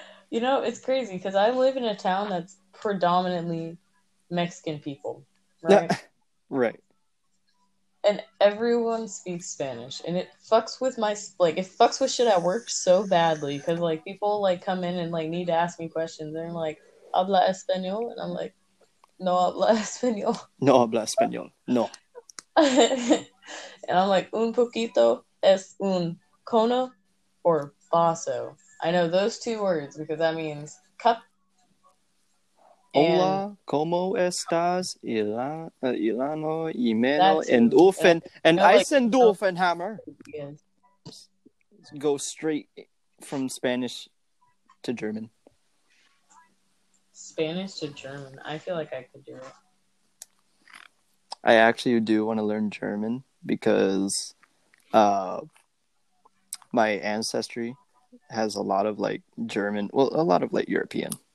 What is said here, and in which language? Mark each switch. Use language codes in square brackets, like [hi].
[en] You know, it's crazy because I live in a town that's predominantly Mexican people. Right. Yeah. Right. And everyone speaks Spanish, and it fucks with my, like, it fucks with shit at work so badly, because, like, people, like, come in and, like, need to ask me questions, and I'm like, [es] habla español? [en] And I'm like, [es] no habla español. No habla español. No. [en] And I'm like, [es] un poquito es un cono or vaso. [en] I know those two words, because that means cup. [es] Hola, ¿cómo estás, Ilano, Imeno, and Ulfen, and Eisen Dulfenhammer? [en] Go straight from Spanish to German. Spanish to German. I feel like I could do it. I actually do want to learn German because my ancestry has a lot of, like, German, well, a lot of, like, European.